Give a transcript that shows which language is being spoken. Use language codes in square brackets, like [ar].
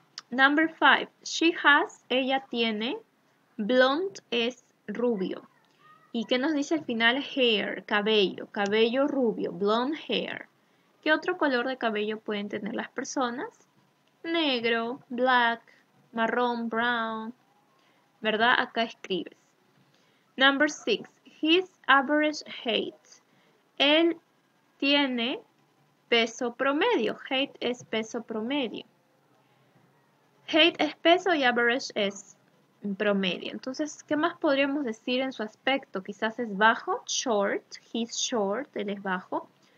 [en] Number 5, she has, [es] ella tiene, blonde es rubio. ¿Y qué nos dice al final? Hair, cabello, cabello rubio, blonde hair. ¿Qué otro color de cabello pueden tener las personas? Negro, black, marrón, brown, ¿verdad? Acá escribes. [en] Number 6, his average height. [es] Él tiene peso promedio, height es peso promedio. Height es peso y average es promedio. Entonces, ¿qué más podríamos decir en su aspecto? Quizás es bajo, short, [en] he's short, [es] él es bajo.